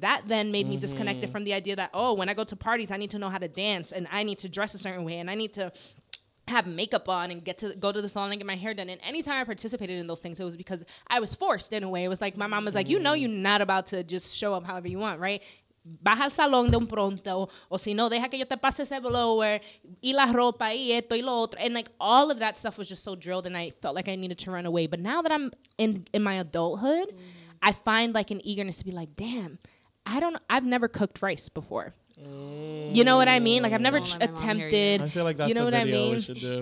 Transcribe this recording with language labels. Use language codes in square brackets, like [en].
[en] That then made me disconnected from the idea that, oh, when I go to parties, I need to know how to dance and I need to dress a certain way and I need to have makeup on and get to go to the salon and get my hair done. And anytime I participated in those things, it was because I was forced in a way. It was like, my mom was like, you know, you're not about to just show up however you want, right? [es] Baja al salón de un pronto, o si no, deja que yo te pase ese blower, y la ropa, y esto, y lo otro. [en] And like all of that stuff was just so drilled and I felt like I needed to run away. But now that I'm in my adulthood, I find like an eagerness to be like, damn, I've never cooked rice before. You know what I mean? Like I've never attempted. I feel like that's a video we should do.